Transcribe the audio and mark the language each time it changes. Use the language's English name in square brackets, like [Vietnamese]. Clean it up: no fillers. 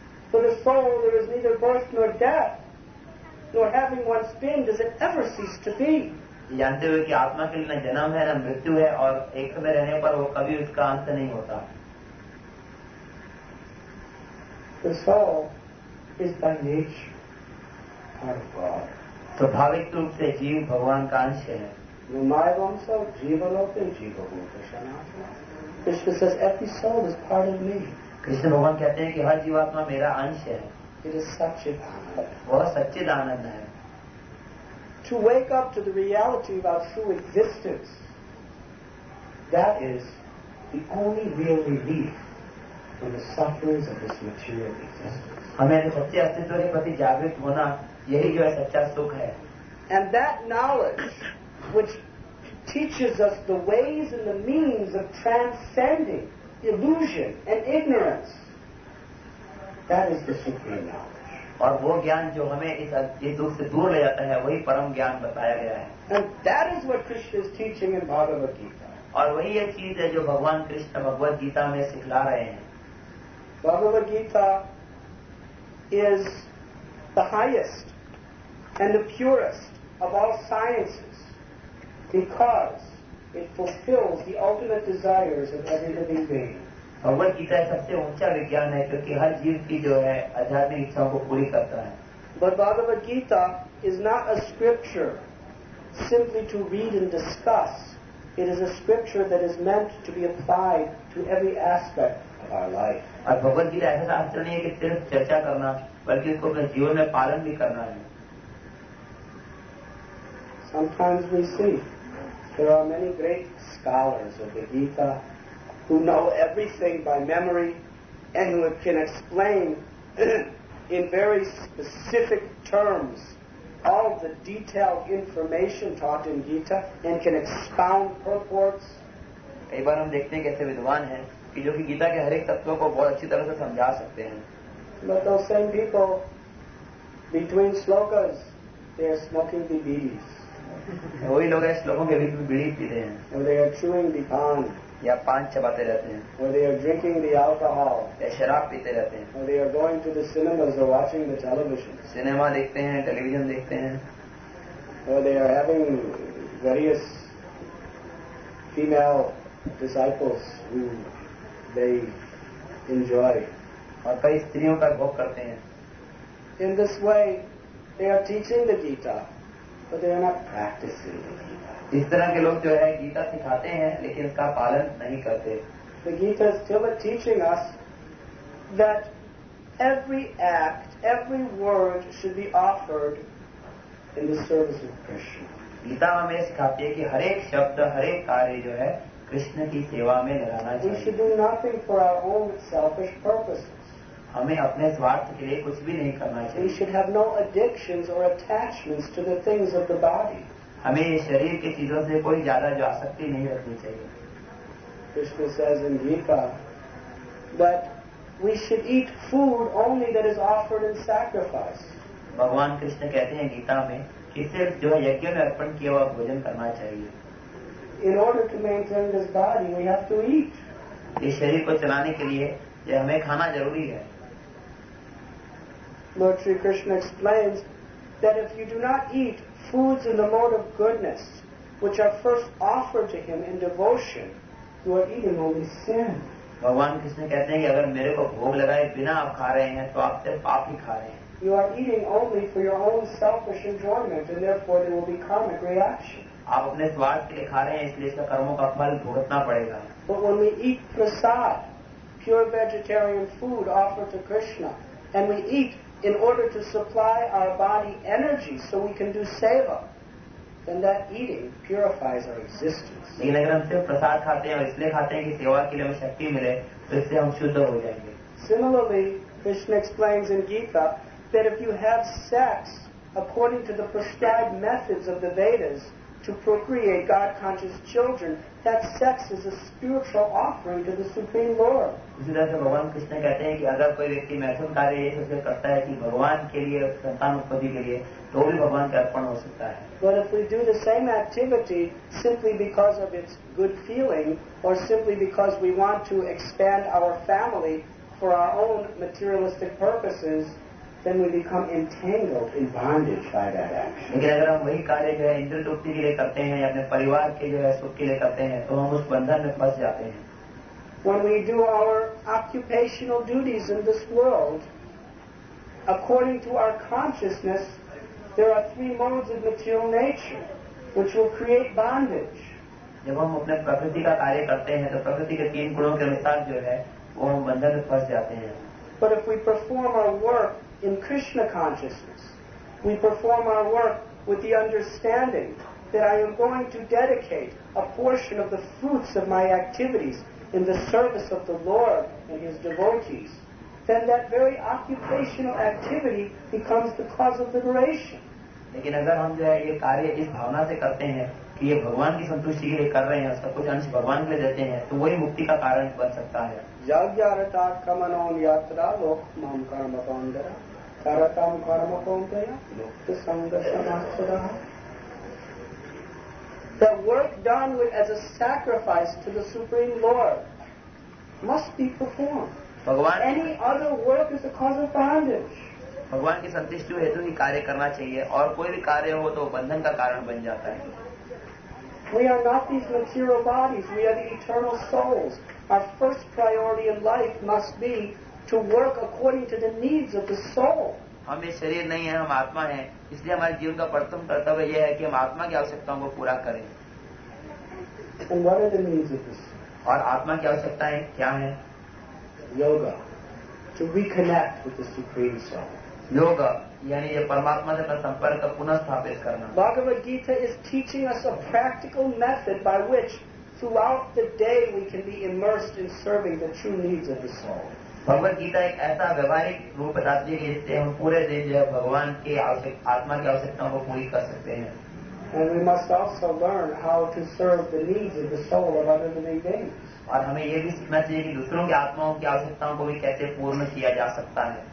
[English] For the soul, there is neither birth nor death, nor having once been, does it ever cease to be. [Hindi] जानते हुए कि आत्मा के लिए न जन्म है न मृत्यु है और एक समय रहने पर वो कभी उसका अंत नहीं होता। [English] The soul is by nature part of God. [Hindi] स्वाभाविक रूप से जीव भगवान का अंश है। [Sanskrit] Mumayamsa jivaloke jivabhuta sanatana. [English] Krishna says every soul is part of me. [Hindi] Krishna भगवान कहते हैं कि हर जीवात्मा मेरा अंश है। [English] it is सच्चिद [Hindi] आनंद, वह सच्चिद आनंद है। [English] To wake up to the reality of our true existence, that is the only real relief from the sufferings of this material existence. [Hindi] हमें अपने सच्चे अस्तित्व के प्रति जागृत होना, यही जो है सच्चा सुख है। [English] And that knowledge which teaches us the ways and the means of transcending illusion and ignorance, that is the supreme knowledge. [Hindi] और वो ज्ञान जो हमें इस दुख से दूर ले जाता है वही परम ज्ञान बताया गया है। [English] And that is what Krishna is teaching in Bhagavad Gita. [Hindi] और वही एक चीज है जो भगवान कृष्ण भगवद गीता में सिखला रहे हैं। [English] Bhagavad Gita is the highest and the purest of all sciences because it fulfills the ultimate desires of every living being. [Hindi] Bhagavad Gita सबसे ऊंचा विज्ञान है क्योंकि हर जीव की जो है आध्यात्मिक इच्छाओं को पूरी करता है. [English] But Bhagavad Gita is not a scripture simply to read and discuss. It is a scripture that is meant to be applied to every aspect of our life. [Hindi] और भगवद गीता ऐसा शास्त्र नहीं है कि सिर्फ चर्चा करना बल्कि इसको अपने जीवन में पालन भी करना है. [English] Sometimes we see there are many great scholars of the Gita who know everything by memory and who can explain in very specific terms all the detailed information taught in Gita and can expound purports. [Hindi] कई बार हम देखते हैं कि ऐसे विद्वान हैं कि जो कि गीता के हर एक तत्वों को बहुत अच्छी तरह से समझा सकते हैं. [English] But those same people, between slokas, they are smoking the bees. [Hindi] वही लोग हैं श्लोकों के बीच में बीड़ी पीते हैं. [English] And they are chewing the pan. [Hindi] या पान चबाते रहते हैं. [English] Or they are drinking the alcohol. [Hindi] या शराब पीते रहते हैं. [English] Or they are going to the cinemas or watching the television. [Hindi] Cinema देखते हैं टेलीविजन देखते हैं. [English] Or they are having various female disciples who they enjoy. [Hindi] और कई स्त्रियों का भोग करते हैं. [English] In this way, they are teaching the Gita, but they are not practicing the Gita. [Hindi] इस तरह के लोग जो है गीता सिखाते हैं लेकिन इसका पालन नहीं करते. [English] The Gita is still teaching us that every act, every word should be offered in the service of Krishna. [Hindi] Gita हमें सिखाती है कि हर एक शब्द हर एक कार्य जो है कृष्ण की सेवा में लगाना चाहिए. [English] We should do nothing for our own selfish purposes. [Hindi] हमें अपने स्वार्थ के लिए कुछ भी नहीं करना चाहिए. [English] We should have no addictions or attachments to the things of the body. [Hindi] हमें शरीर की चीजों से कोई ज्यादा जो आसक्ति नहीं रखनी चाहिए. [English] Krishna says in Gita that we should eat food only that is offered in sacrifice. [Hindi] भगवान कृष्ण कहते हैं गीता में कि सिर्फ जो यज्ञ में अर्पण किया हुआ भोजन करना चाहिए. [English] In order to maintain this body, we have to eat. [Hindi] ये शरीर को चलाने के लिए ये हमें खाना जरूरी है. [English] Lord Sri Krishna explains that if you do not eat foods in the mode of goodness, which are first offered to him in devotion, you are eating only sin. [Hindi] भगवान कृष्ण कहते हैं कि अगर मेरे को भोग लगाए बिना आप खा रहे हैं तो आप सिर्फ पाप ही खा रहे हैं. [English] You are eating only for your own selfish enjoyment, and therefore there will be karmic reaction. [Hindi] आप अपने स्वार्थ के लिए खा रहे हैं इसलिए इसका कर्मों का फल भुगतना पड़ेगा. [English] But when we eat prasad, pure vegetarian food offered to Krishna, and we eat in order to supply our body energy so we can do seva, then that eating purifies our existence. [Hindi] लेकिन अगर हम सिर्फ प्रसाद खाते हैं और इसलिए खाते हैं कि सेवा के लिए हमें शक्ति मिले तो इससे हम शुद्ध हो जाएंगे. [English] Similarly, Krishna explains in Gita that if you have sex according to the prescribed methods of the Vedas to procreate God-conscious children, that sex is a spiritual offering to the Supreme Lord. [Hindi] इसी तरह से भगवान कृष्ण कहते हैं कि अगर कोई व्यक्ति मैथुन कार्य ऐसे करता है कि भगवान के लिए संतान उत्पत्ति के लिए तो भी भगवान का अर्पण हो सकता है. [English] But if we do the same activity simply because of its good feeling or simply because we want to expand our family for our own materialistic purposes, then we become entangled in bondage by that action. [Hindi] लेकिन अगर हम वही कार्य जो है इंद्र तृप्ति के लिए करते हैं या अपने परिवार के जो है सुख के लिए करते हैं तो हम उस बंधन में फंस जाते हैं. [English] When we do our occupational duties in this world, according to our consciousness, there are three modes of material nature which will create bondage. [Hindi] जब हम अपने प्रकृति का कार्य करते हैं तो प्रकृति के तीन गुणों के अनुसार जो है वो हम बंधन में फंस जाते हैं. [English] But if we perform our work in Krishna consciousness, we perform our work with the understanding that I am going to dedicate a portion of the fruits of my activities in the service of the Lord and His devotees, then that very occupational activity becomes the cause of liberation. [Hindi] लेकिन अगर हम जो है ये कार्य इस भावना से करते हैं कि ये भगवान की संतुष्टि के लिए कर रहे हैं उसका कुछ अंश भगवान के लिए देते हैं तो वही मुक्ति का कारण बन सकता है. [Sanskrit] यज्ञारता कमनों यात्रा लोक मम कर्म कौंदर करतम कर्म कौंदर लोक संग समाचरा. [English] The work done with as a sacrifice to the Supreme Lord must be performed. [Hindi] भगवान [English] any other work is a cause of bondage. [Hindi] भगवान की संतुष्टि हेतु ही कार्य करना चाहिए, और कोई भी कार्य हो तो बंधन का कारण बन जाता है। [English] We are not these material bodies, we are the eternal souls. Our first priority in life must be to work according to the needs of the soul. [Hindi] हम ये शरीर नहीं है, हम आत्मा है, इसलिए हमारे जीवन का प्रथम कर्तव्य यह है कि हम आत्मा की आवश्यकताओं को पूरा करें। [English] And what are the needs of the soul? [Hindi] और आत्मा की आवश्यकताएं क्या है? [English] Yoga. To reconnect with the Supreme Soul. Yoga. [Hindi] यानी ये परमात्मा से अपना संपर्क पुनः स्थापित करना। [English] Bhagavad Gita is teaching us a practical method by which throughout the day we can be immersed in serving the true needs of the soul. [Hindi] Bhagavad Gita एक ऐसा व्यवहारिक रूप बताती है जिससे हम पूरे दिन जो है भगवान के आत्मा की आवश्यकताओं को पूरी कर सकते हैं। [English] And we must also learn how to serve the needs of the soul of other living beings. [Hindi] और हमें ये भी सीखना चाहिए कि दूसरों की आत्माओं की आवश्यकताओं को भी कैसे पूर्ण किया जा सकता है।